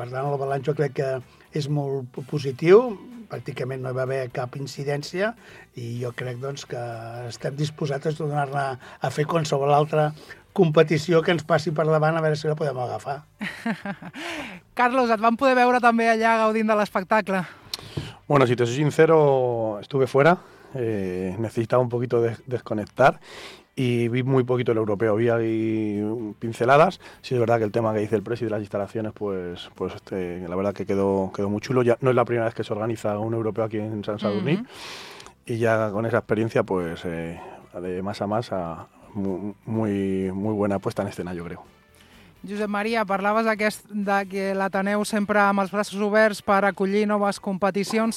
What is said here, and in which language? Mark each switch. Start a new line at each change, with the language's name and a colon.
Catalan: Per tant, el balanç jo crec que és molt positiu, pràcticament no hi va haver cap incidència, i jo crec, doncs, que estem disposats a donar-la a fer qualsevol altra competició que ens passi per davant, a veure si la podem agafar. Carlos, et vam poder veure també allà gaudint de l'espectacle.
Spanish: Bueno, si te soy sincero, estuve fuera. Necesitaba un poquito de desconectar y vi muy poquito el europeo. Vi ahí pinceladas. Sí, es verdad que el tema que dice el presi de las instalaciones, pues la verdad que quedó muy chulo. Ya no es la primera vez que se organiza un europeo aquí en San Sadurní. Uh-huh. Y ya con esa experiencia, pues de más a más, muy, muy buena puesta en escena, yo creo.
Catalan: Josep Maria, parlaves de que l'Ateneu sempre amb els braços oberts per acollir noves competicions.